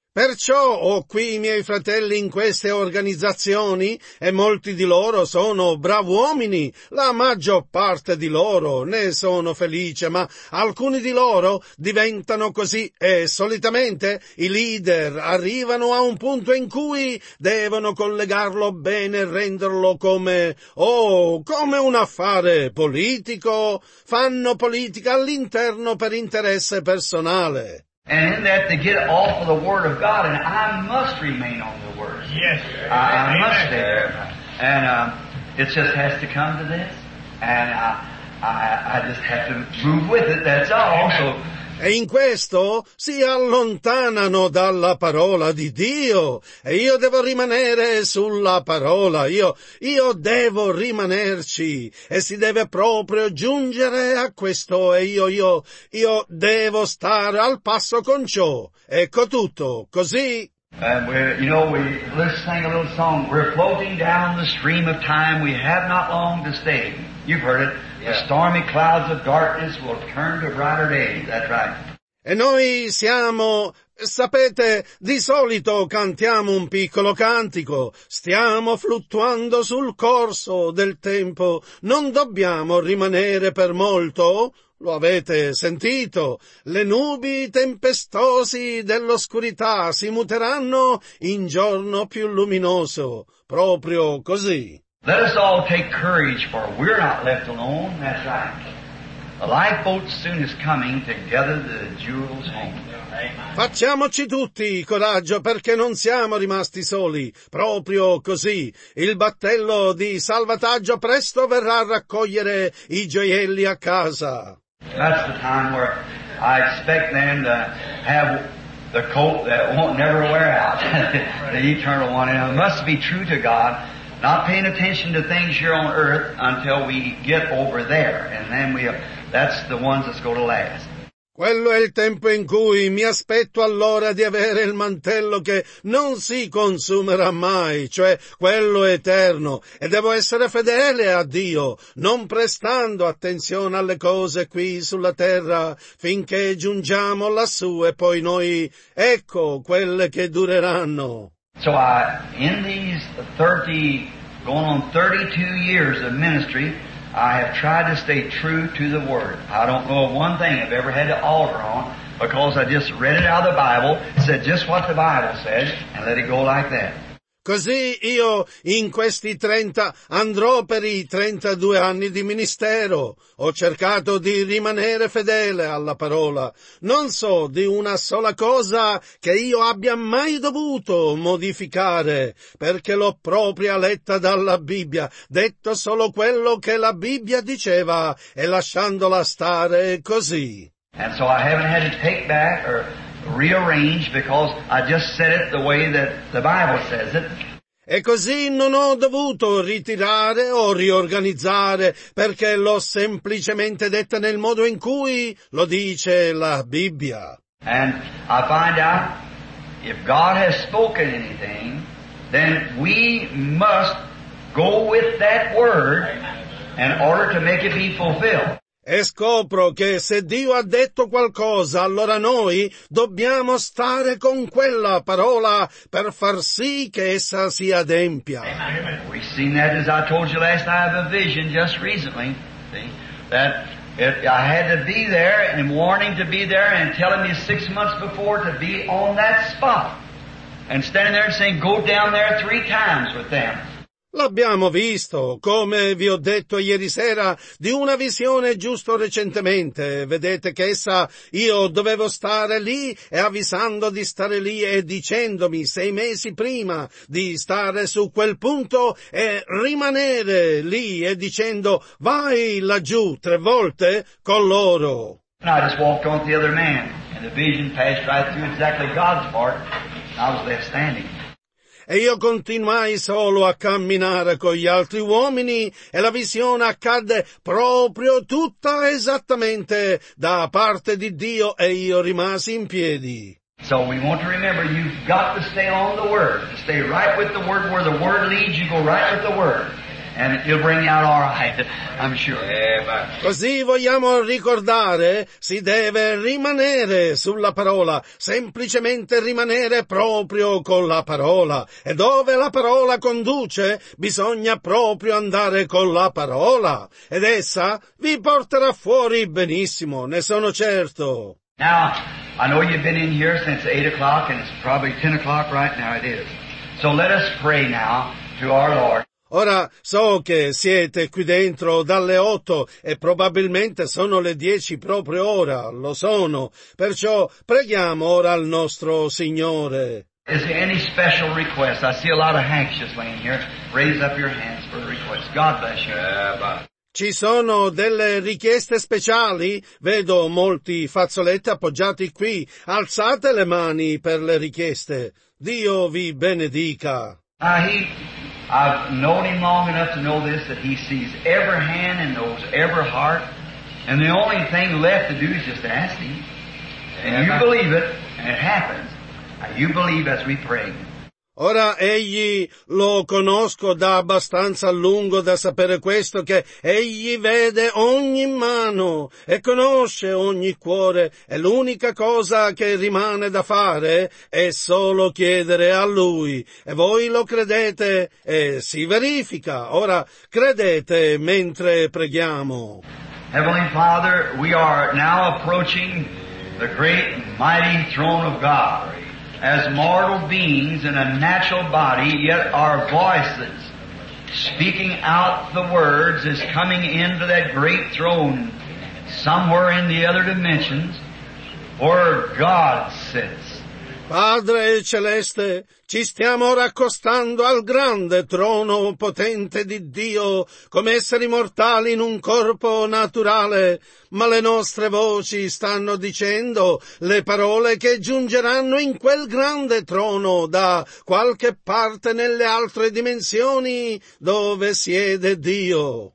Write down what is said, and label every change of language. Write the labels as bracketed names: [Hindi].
[Italian] Perciò ho qui i miei fratelli in queste organizzazioni, e molti di loro sono bravi uomini, la maggior parte di loro ne sono felice, ma alcuni di loro diventano così, e solitamente i leader arrivano a un punto in cui devono collegarlo bene e renderlo come un affare politico, fanno politica all'interno per interesse personale. [English] And in that they get off of the Word of God, and I must remain on the Word. Yes, sir. I must stay there. And it just has to come to this, and I just have to move with it, that's all. So, [Italian] e in questo si allontanano dalla parola di Dio, e io devo rimanere sulla parola, io devo rimanerci, e si deve proprio giungere a questo, e io devo stare al passo con ciò, ecco tutto, così. [English] And let's sing a little song. We're floating down the stream of time, we have not long to stay. You've heard it. The stormy clouds of darkness will turn to brighter days. That's right. [Italian] E noi siamo, sapete, di solito cantiamo un piccolo cantico. Stiamo fluttuando sul corso del tempo. Non dobbiamo rimanere per molto. Lo avete sentito? Le nubi tempestosi dell'oscurità si muteranno in giorno più luminoso. Proprio così. [English] Let us all take courage, for we're not left alone, that's right. The lifeboat soon is coming to gather the jewels home. [Italian] Facciamoci tutti coraggio, perché non siamo rimasti soli, proprio così. Il battello di salvataggio presto verrà a raccogliere i gioielli a casa. [English] That's the time where I expect them to have the coat that won't never wear out, the eternal one, and it must be true to God. Not paying attention to things here on earth until we get over there, and then that's the ones that's going to last. [Italian] Quello è il tempo in cui mi aspetto allora di avere il mantello che non si consumerà mai, cioè quello eterno, e devo essere fedele a Dio, non prestando attenzione alle cose qui sulla terra, finché giungiamo lassù e poi noi, ecco quelle che dureranno. [English] So in these 30, going on 32 years of ministry, I have tried to stay true to the Word. I don't know of one thing I've ever had to alter on, because I just read it out of the Bible, said just what the Bible says, and let it go like that. [Italian] Così io in questi 30, andrò per i 32 anni di ministero, ho cercato di rimanere fedele alla parola. Non so di una sola cosa che io abbia mai dovuto modificare, perché l'ho propria letta dalla Bibbia, detto solo quello che la Bibbia diceva e lasciandola stare così. [English] And so I haven't had to take back or rearrange, because I just said it the way that the Bible says it. [Italian] E così non ho dovuto ritirare o riorganizzare, perché l'ho semplicemente detta nel modo in cui lo dice la Bibbia. [English] And I find out if God has spoken anything, then we must go with that word in order to make it be fulfilled. [Italian] E scopro che se Dio ha detto qualcosa, allora noi dobbiamo stare con quella parola per far sì che essa si adempia. [English] We've seen that, as I told you last night, I have a vision just recently, see, that if I had to be there and warning to be there and telling me 6 months before to be on that spot and standing there and saying, go down there 3 times with them. [Italian] L'abbiamo visto, come vi ho detto ieri sera, di una visione giusto recentemente. Vedete che essa, io dovevo stare lì e avvisando di stare lì e dicendomi 6 mesi prima di stare su quel punto e rimanere lì e dicendo vai laggiù 3 volte con loro. [English] And I just walked on to the other man and the vision passed right through exactly God's part. I was left standing. [Italian] E io continuai solo a camminare con gli altri uomini e la visione accadde proprio tutta esattamente da parte di Dio e io rimasi in piedi. [English] So we want to remember you've got to stay on the Word. Stay right with the Word. Where the Word leads, you go right with the Word. And it'll bring you out all right, I'm sure. [Italian] Così vogliamo ricordare, si deve rimanere sulla parola, semplicemente rimanere proprio con la parola. E dove la parola conduce, bisogna proprio andare con la parola. Ed essa vi porterà fuori benissimo, ne sono certo. [English] Now, I know you've been in here since 8 o'clock and it's probably 10 o'clock right now, it is. So let us pray now to our Lord. [Italian] Ora so che siete qui dentro dalle 8 e probabilmente sono le 10 proprio ora, lo sono. Perciò preghiamo ora al nostro Signore. [English] Is there any special request? I see a lot of anxious laying here. Raise up your hands for a request. God bless you. [Italian] Ci sono delle richieste speciali? Vedo molti fazzoletti appoggiati qui. Alzate le mani per le richieste. Dio vi benedica. [English] I've known him long enough to know this, that he sees every hand and knows every heart. And the only thing left to do is just ask him. And you believe it, and it happens. You believe as we pray. [Italian] Ora egli lo conosco da abbastanza lungo da sapere questo, che egli vede ogni mano e conosce ogni cuore, e l'unica cosa che rimane da fare è solo chiedere a lui. E voi lo credete e si verifica. Ora credete mentre preghiamo. [English] Heavenly Father, we are now approaching the great mighty throne of God. As mortal beings in a natural body, yet our voices speaking out the words is coming into that great throne somewhere in the other dimensions where God sits. [Italian] Padre celeste, ci stiamo ora accostando al grande trono potente di Dio come esseri mortali in un corpo naturale, ma le nostre voci stanno dicendo le parole che giungeranno in quel grande trono da qualche parte nelle altre dimensioni dove siede Dio.